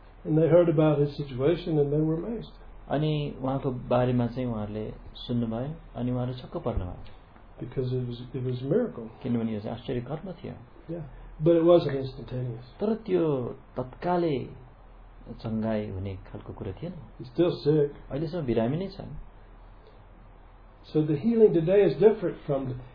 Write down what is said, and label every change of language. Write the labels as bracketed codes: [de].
[en] And they heard about his situation and they were amazed. [ne] अनि उहाँको बारेमा चाहिँ उहाँहरूले सुन्नुभयो अनि उहाँहरू छक्क पर्नुभयो [en] Because it was a miracle. [ne] किनभने यो चाहिँ आश्चर्य कर्म थियो Yeah. [en] But it was instantaneous. [ne] तर त्यो तत्काले चंगाई हुने खालको कुरा थिएन [en] still sick. [ne] अहिलेसम्म बिरामी नै छन् [en] So the healing today is different from